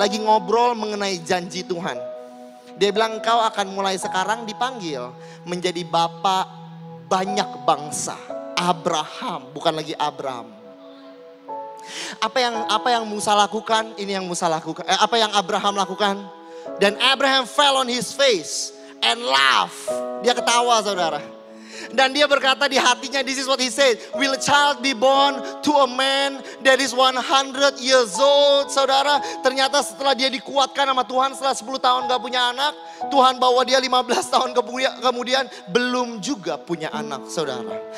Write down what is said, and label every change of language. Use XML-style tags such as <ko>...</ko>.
<id>Lagi ngobrol mengenai janji Tuhan. Dia bilang, kau akan mulai sekarang dipanggil menjadi bapak banyak bangsa. Abraham, bukan lagi Abraham. Apa yang Musa lakukan? Ini yang Musa lakukan. Apa yang Abraham lakukan?</id> <en>Dan Abraham fell on his face and laughed.</en> <id>Dia ketawa, saudara. Dan dia berkata di hatinya,</id> <en>this is what he said. Will a child be born to a man that is 100 years old?</en> <id>Saudara, ternyata setelah dia dikuatkan sama Tuhan, setelah 10 tahun gak punya anak, Tuhan bawa dia 15 tahun kemudian, belum juga punya anak, saudara.</id>